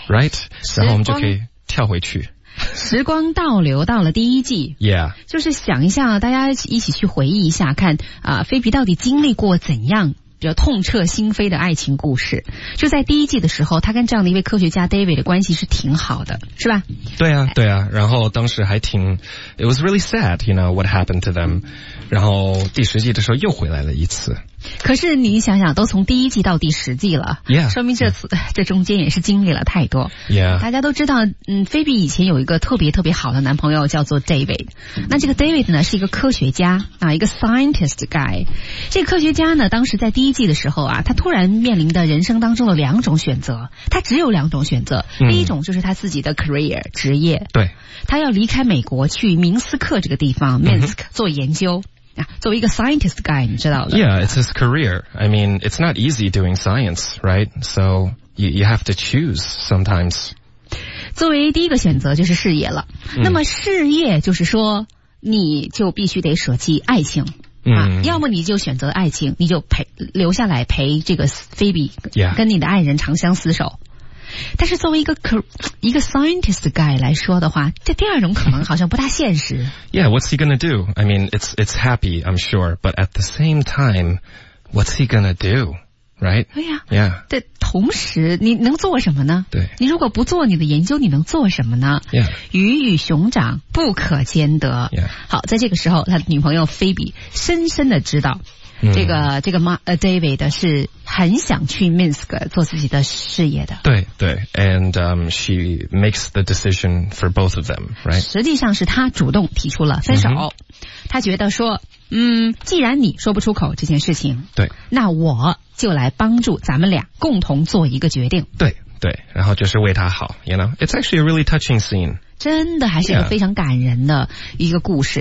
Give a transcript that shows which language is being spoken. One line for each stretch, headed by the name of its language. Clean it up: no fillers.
English: ， right,
Chinese: 然后我们就可以跳回去。时光倒流到了第一季
English: ，Yeah，
Chinese: 就是想一下，大家一起去回忆一下，看啊，Phoebe 到底经历过怎样比较痛彻心扉的爱情故事。就在第一季的时候，他跟这样的一位科学家 David 的关系是挺好的，是吧？对啊，对啊。然后当时还挺
English: ，It was really sad, you know what happened to them。
Chinese: 然后第十季的时候又回来了一次。可是你想想，都从第一季到第十季了，
English: yeah,
Chinese: 说明这次、
English: yeah.
Chinese: 这中间也是经历了太多。
English: Yeah.
Chinese: 大家都知道，嗯，菲比以前有一个特别特别好的男朋友叫做 David。那这个 David 呢是一个科学家啊，一个 scientist guy。这个科学家呢，当时在第一季的时候啊，他突然面临的人生当中的两种选择，他只有两种选择。第一种就是他自己的 career 职业，对，他要离开美国去明斯克这个地方 Minsk 做研究。作为一个 scientist guy, 你知道的。
English: Yeah, it's his career. I mean, it's not easy doing science, right? So, you have to choose sometimes.
Chinese: 作为第一个选择就是事业了。 Mm. 那么事业就是说，你就必须得舍弃爱情。 Mm. 啊、要么你就选择爱情，你就留下来陪这个 Phoebe,、
English: yeah.
Chinese: 跟你的爱人长相厮守。但是作为一个 scientist guy 来说的话，这第二种可能好像不大现实。
English: Yeah, what's he gonna do? I mean, it's happy, I'm sure, but at the same time, what's he gonna do? Right?
Chinese: 对呀、
English: 啊。Yeah.
Chinese: 对，同时你能做什么呢？对。你如果不做你的研究，你能做什么呢
English: ？Yeah.
Chinese: 鱼与熊掌不可兼得。
English: Yeah.
Chinese: 好，在这个时候，他的女朋友菲比深深的知道。这个 David 是很想去 Minsk 做自己的事业的。对对
English: ，and she makes the decision for both of them, right?
Chinese: 实际上是他主动提出了分手，他、mm-hmm. 觉得说，嗯，既然你说不出口这件事情，对，那我就来帮助咱们俩共同做一个决定。对对，然后就是为他好
English: ，you know? It's actually a really touching scene.
Chinese: 真的还是一个非常感人的一个故事、